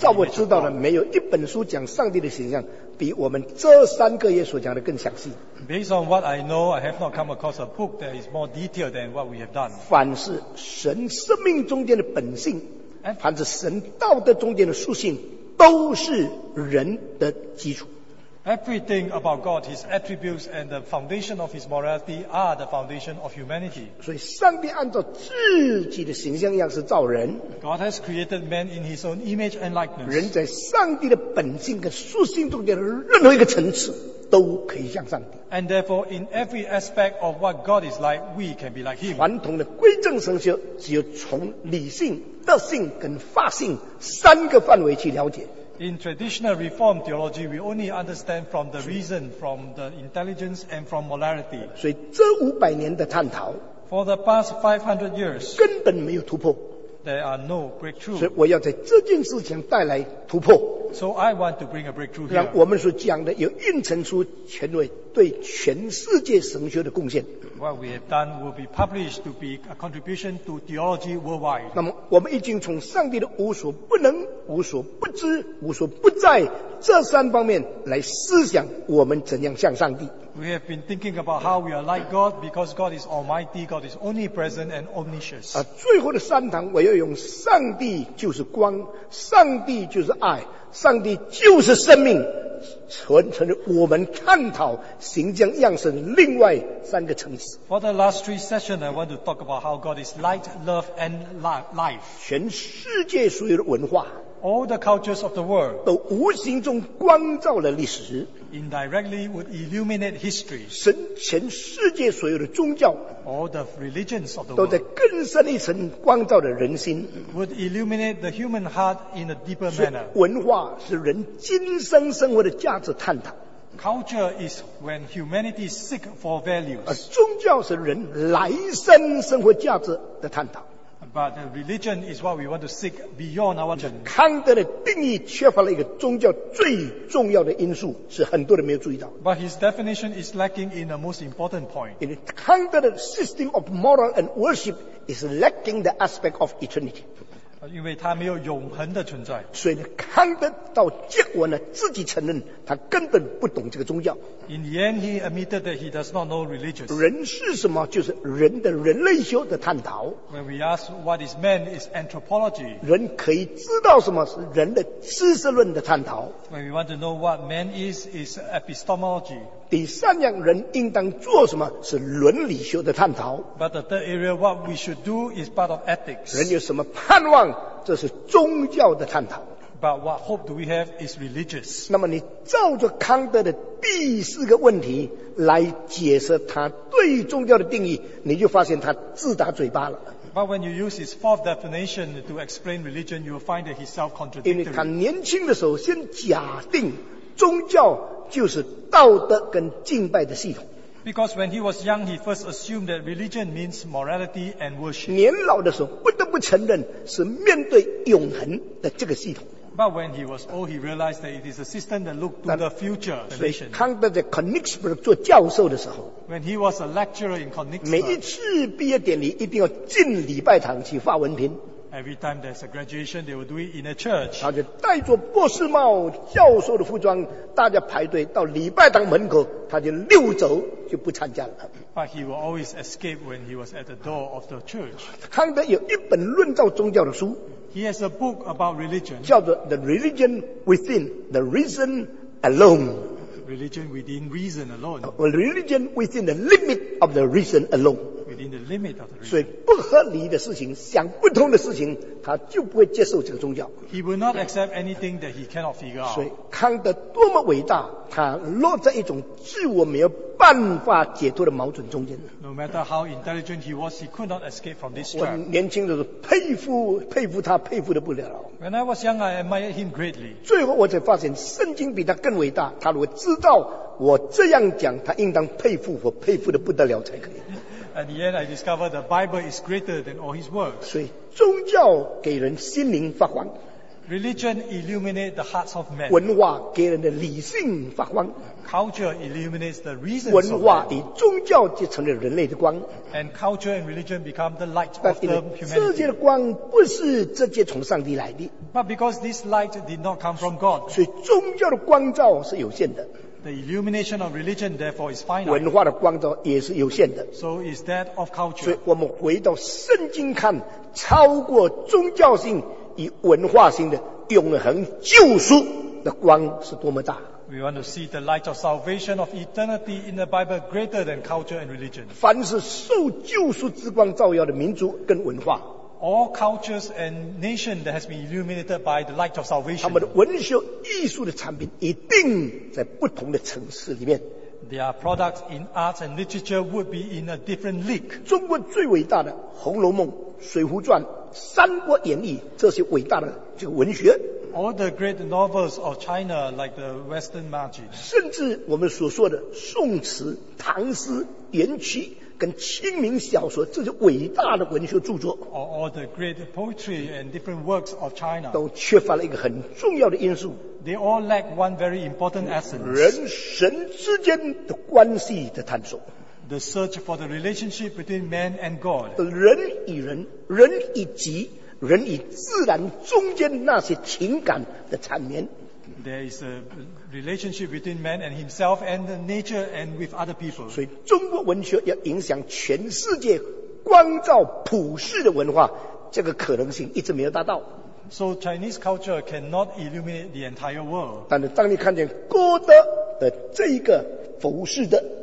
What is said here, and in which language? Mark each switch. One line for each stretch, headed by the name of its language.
Chinese: 照我知道的，没有一本书讲上帝的形象比我们这三个月所讲的更详细。
English: Based on what I know, I have not come across a book that is more detailed than what we have done.
Chinese: 凡是神生命中间的本性，凡是神道德中间的属性，都是人的基础。
English: Everything about God, His attributes and the foundation of His morality are the foundation of humanity.
Chinese: 所以上帝按照自己的形象样式造人。
English: God has created man in His own image and likeness.
Chinese: 人在上帝的本性跟属性中间的任何一个层次都可以像上帝。
English: And therefore, in every aspect of what God is like, we can be like Him.
Chinese: 传统的归正神学只有从理性、德性跟法性三个范围去了解。
English: In traditional Reformed theology, we only understand from the reason, from the intelligence, and from morality.
Chinese: 所以这五百年的探讨
English: ，For the past 500 years,
Chinese: 根本没有突破。
English: There are no breakthrough.
Chinese: 所以我要在这件事情带来突破。
English: So I want to bring a breakthrough here.
Chinese: 让我们所讲的有印证出权威对全世界神学的贡献。
English: What we have done will be published to be a contribution to theology worldwide.
Chinese: 那么我们已经从上帝的无所不能、无所不知、无所不在这三方面来思想我们怎样像上帝。
English: We have been thinking about how we are like God because God is almighty, God is omnipresent and omniscient.
Chinese: 最后的三堂我要用上帝就是光、上帝就是爱、上帝就是生命传承我们探讨形象样式的另外三个层次。
English: For the last three sessions, I want to talk about how God is light, love and life.
Chinese: 全世界所有的文化
English: All the cultures of the world
Chinese: 都无形中光照了历史
English: Indirectly would illuminate history.
Chinese: 神全世界所有的宗教
English: All the religions of the world
Chinese: 都在更深一层光照了人心
English: Would illuminate the human heart in a deeper manner.
Chinese: 文化是人今生生活的价值探讨。
English: Culture is when humanity seeks for values.
Chinese: 宗教是人来生生活价值的探讨。
English: But religion is what we want to seek beyond our journey.
Chinese: 康德的定义缺乏了一个宗教最重要的因素，是很多人没有注意到。
English: But his definition is lacking in the most important point.
Chinese: 因为康德的
English: system of moral and worship is lacking the aspect of eternity.
Chinese: 因为他没有永恒的存在。所以康德到结果呢，自己承认他根本不懂这个宗教。
English: In the end, he admitted that he does not know religion.
Chinese: 人是什么？就是人的人类学的探讨。
English: When we ask what is man, it's anthropology.
Chinese: 人可以知道什么？是人的知识论的探讨。
English: When we want to know what man is, it's epistemology.
Chinese: 第三样，人应当做什么？是伦理学的探讨。
English: But the third area, what we should do, is part of ethics.
Chinese: 人有什么盼望？这是宗教的探讨。
English: But what hope do we have is religious.
Chinese: 那么你照着康德的第四个问题来解释他对宗教的定义，你就发现他自打嘴巴了。
English: But when you use his fourth definition to explain religion, you will find that he's self-contradictory.
Chinese: 因为他年轻的时候先假定宗教就是道德跟敬拜的系统。
English: Because when he was young, he first assumed that religion means morality and worship.
Chinese: 年老的时候不得不承认是面对永恒的这个系统。
English: But when he was old, he realized that it is a system that looked to the future.
Chinese: 所以康德在 Königsberg 做教授的时候
English: ，When he was a lecturer in Königsberg,
Chinese: 每一次毕业典礼一定要进礼拜堂去发文凭。
English: Every time there's a graduation, they will do it in a church.
Chinese: 他就戴着博士帽、教授的服装，大家排队到礼拜堂门口，他就溜走，就不参加了。
English: But he will always escape when he was at the door of the church.
Chinese: 康德有一本论照宗教的书。
English: He has a book about religion.
Chinese: 叫做
English: The Religion Within, The Reason Alone. Religion within reason alone. Well, religion within the limit of the reason alone. Within the limit of the reason.
Chinese: 所以不合理的事情，想不通的事情，他就不会接受这个宗教。
English: He will not accept anything that he cannot figure out.
Chinese: 所以康德多么伟大，他落在一种自我没有办法解脱的矛盾中间。
English: No matter how intelligent he was, he could not escape from this trap.
Chinese: 我年轻的时候佩服他，佩服得不了。
English: When I was young, I admired him greatly.
Chinese: 最后我才发现，圣经比他更伟大。他如果知道我这样讲，他应当佩服我，佩服得不得了才可以。
English: At the end, I discovered the Bible is greater than all his works.
Chinese: 所以宗教给人心灵发光。
English: Religion illuminates the hearts of men.
Chinese: 文化给人的理性发光。
English: Culture illuminates the reasons.
Chinese: 文化与宗教就成了人类的光。
English: And culture and religion become the light of the humanity.
Chinese: 这些的光不是直接从上帝来的。
English: But because this light did not come from God.
Chinese: 所以宗教的光照是有限的。
English: The illumination of religion, therefore, is finite.
Chinese: 文化的光照也是有限的。
English: So is that of culture.
Chinese: 所以我们回到圣经看，超过宗教性以文化性的永恒救赎的光是多么大。
English: We want to see the light of salvation of eternity in the Bible greater than culture and religion.
Chinese: 凡是受救赎之光照耀的民族跟文化。
English: All cultures and nations that has been illuminated by the light of salvation.
Chinese: 他们的文学艺术的产品一定在不同的城市里面。
English: Their products in arts and literature would be in a different league.
Chinese: 中国最伟大的《红楼梦》《水浒传》《三国演义》这些伟大的这个文学。
English: All the great novels of China, like the Western Magic.
Chinese: 甚至我们所说的宋词、唐诗、元曲跟清明小说这些伟大的文学著作。
English: Or all the great poetry and different works of China.
Chinese: 都缺乏了一个很重要的因素。
English: They all lack one very important essence.
Chinese: 人神之间的关系的探索。
English: The search for the relationship between man and God.
Chinese: 人与人，人与己，人与自然中间那些情感的缠绵。
English: There is a relationship between man and himself and the nature and with other people.
Chinese: 所以中国文学要影响全世界光照普世的文化，这个可能性一直没有达到。
English: So Chinese culture cannot illuminate the entire world.
Chinese: 但是当你看见歌德的这一个服饰的。